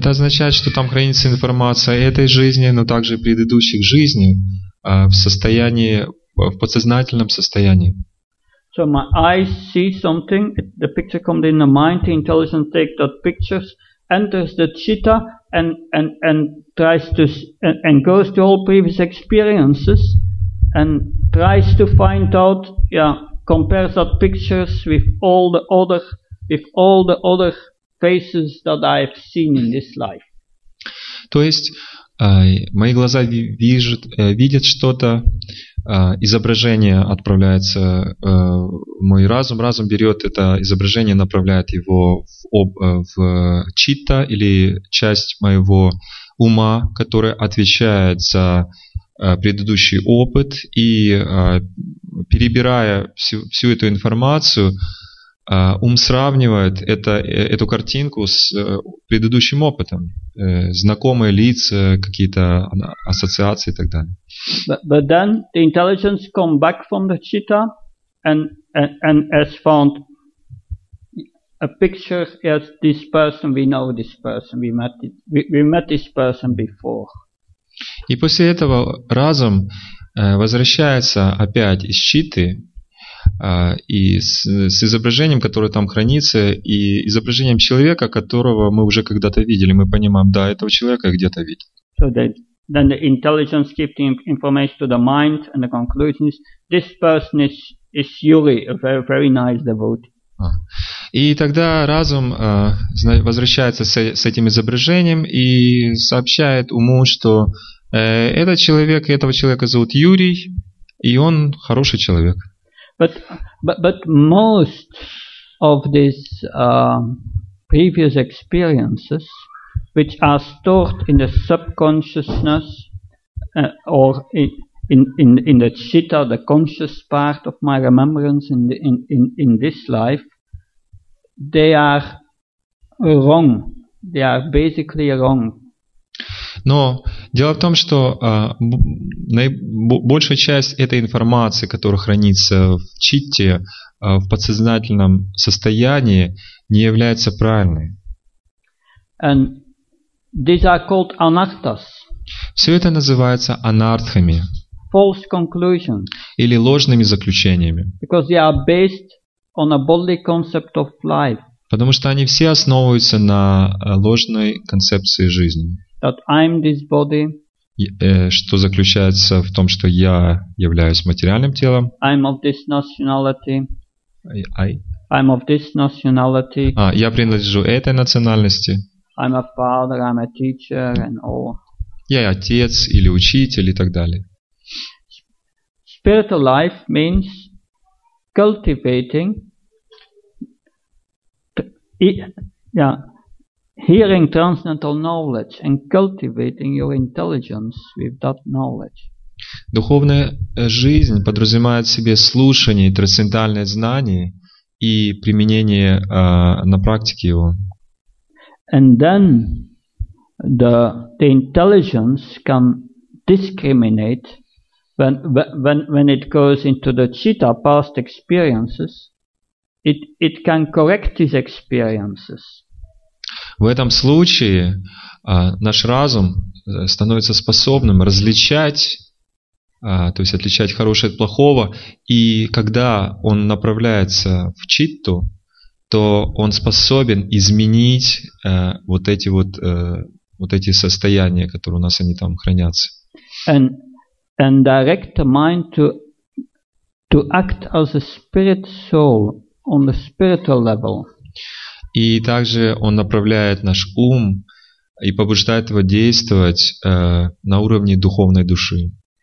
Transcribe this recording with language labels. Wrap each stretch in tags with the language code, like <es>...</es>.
<ru>Это означает, что там хранится информация этой жизни, но также предыдущих жизней в состоянии, в подсознательном состоянии.</ru> <en>So my eyes see something, the picture comes in the mind, the intelligence takes that picture, enters the citta and tries to and goes to all previous experiences and tries to find out, yeah, compares that pictures with all the other faces that I have seen in this life.</en> <ru>То есть мои глаза видят что-то, изображение отправляется в мой разум, разум берет это изображение, направляет его в читта или часть моего ума, которая отвечает за предыдущий опыт, и перебирая всю эту информацию, ум сравнивает эту картинку с предыдущим опытом, знакомые лица, какие-то ассоциации и так далее.</ru> <en>But then the intelligence come back from the citta and has found a picture. Yes, this person, we know this person, we met this person before.</en> <ru>И после этого разум возвращается опять из читты и с изображением, которое там хранится, и изображением человека, которого мы уже когда-то видели. Мы понимаем, да, этого человека где-то видели.</ru> <en>So then the intelligence gives the information to the mind and the conclusion is this person is Yuri, a very, very nice devotee.</en> <ru>И тогда разум возвращается с этим изображением и сообщает уму, что этот человек, этого человека зовут Юрий, и он хороший человек.</ru> <en>But most of these previous experiences, which are stored in the subconsciousness or in the citta, the conscious part of my remembrance in this life, they are wrong. They are basically wrong.</en> <ru>Но дело в том, что большая часть этой информации, которая хранится в читте, в подсознательном состоянии, не является правильной.</ru> <en>And these are called anarthas.</en> <ru>Все это называется анартхами.</ru> <en>False conclusions.</en> <ru>Или ложными заключениями.</ru> <en>Because they are based on a bodily concept of life.</en> <ru>Потому что они все основываются на ложной концепции жизни.</ru> <en>That I'm this body.</en> <ru>Что заключается в том, что я являюсь материальным телом.</ru> <en>I'm of this nationality. I'm of this nationality.</en> <ru>А, я принадлежу этой национальности.</ru> <en>I'm a father, I'm a teacher, and all.</en> <ru>Я отец или учитель и так далее.</ru> <en>Spiritual life means cultivating. Hearing transcendental knowledge and cultivating your intelligence with that knowledge.</en> <ru>Духовная жизнь подразумевает в себе слушание и трансцендентальное знание и применение на практике его.</ru> <en>And then the intelligence can discriminate when it goes into the citta, past experiences, it can correct these experiences.</en> <ru>В этом случае наш разум становится способным отличать хорошее от плохого, и когда он направляется в читту, то он способен изменить эти состояния, которые у нас они там хранятся.</ru> <en>And direct the mind to act as a spirit soul on the spiritual level.</en> <ru>И также он направляет наш ум и побуждает его действовать на уровне духовной души.</ru>